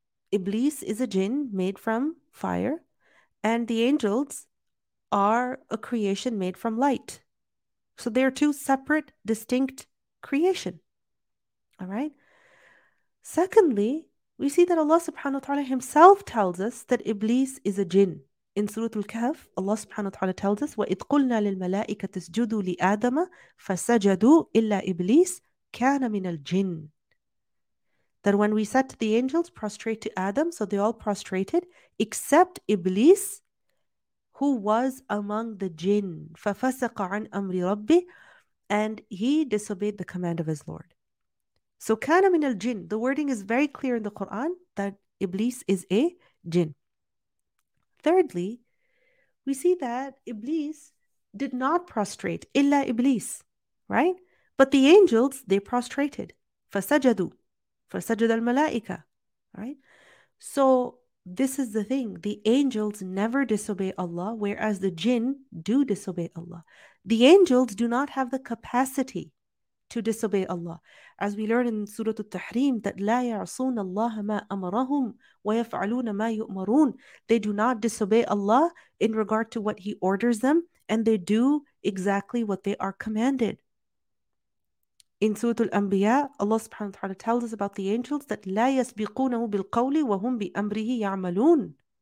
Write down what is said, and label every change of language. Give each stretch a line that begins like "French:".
English: Iblis is a jinn made from fire, and the angels are a creation made from light. So they are two separate, distinct creation. All right. Secondly, we see that Allah subhanahu wa ta'ala himself tells us that Iblis is a jinn. In Surah Al-Kahf, Allah subhanahu wa ta'ala tells us,
Arabic: وَإِذْ قُلْنَا لِلْمَلَائِكَةِ اسْجُدُوا لِآدَمَ فَسَجَدُوا إِلَّا إِبْلِيسِ كَانَ مِنَ الْجِنِّ.
English: That when we said to the angels, prostrate to Adam, so they all prostrated, except Iblis, who was among the jinn,
Arabic: ففسق عن أمر ربي,
English: and he disobeyed the command of his Lord.
Arabic: So كان من الجن.
English: The wording is very clear in the Quran that Iblis is a jinn. Thirdly, we see that Iblis did not prostrate,
Arabic: illa Iblis,
English: right? But the angels, they prostrated.
Arabic: فسجدوا, فسجد الملائكة, right?
English: So this is the thing. The angels never disobey Allah, whereas the jinn do disobey Allah. The angels do not have the capacity to disobey Allah. As we learn in Surah Al-Tahrim, that
Arabic: لا يعصون الله ما أمرهم ويفعلون ما يؤمرون.
English: They do not disobey Allah in regard to what He orders them, and they do exactly what they are commanded. In Surah Al-Anbiya, Allah subhanahu wa ta'ala tells us about the angels that
Arabic: لا يسبقونه بالقول وهم بأمره يعملون.